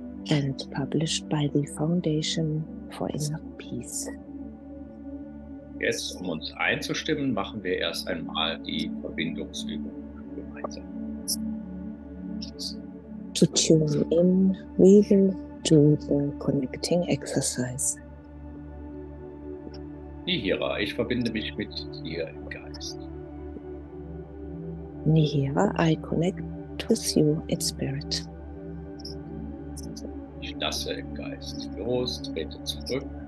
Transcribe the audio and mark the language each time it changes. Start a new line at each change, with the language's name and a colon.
English: And published by the Foundation for Inner Peace.
German: Jetzt, um uns einzustimmen, machen wir erst einmal die Verbindungsübung gemeinsam.
English: To tune in, we will do the connecting exercise.
German: Nihira, ich verbinde mich mit dir im Geist.
English: Nihira, I connect with you in spirit.
German: Ich lasse im Geist los, trete zurück.